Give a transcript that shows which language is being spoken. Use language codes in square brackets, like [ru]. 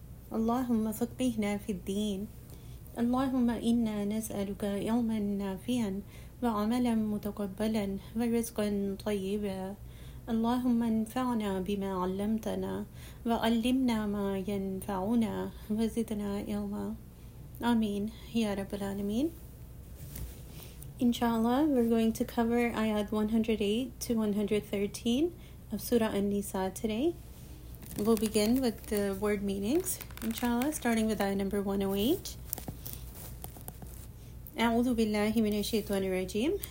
[ar] اللهم فقهنا في الدين اللهم إنا نسألك علما نافعا وعملا متقبلا ورزقا طيبا اللهم انفعنا بما علمتنا وعلمنا ما ينفعنا وزدنا علما آمين يا رب العالمين. [en] Inshallah, we're going to cover ayat 108 to 113 of Surah An-Nisa today. We'll begin with the word meanings, inshallah, starting with ayah number 108. [ar] أعوذ بالله من الشيطان الرجيم.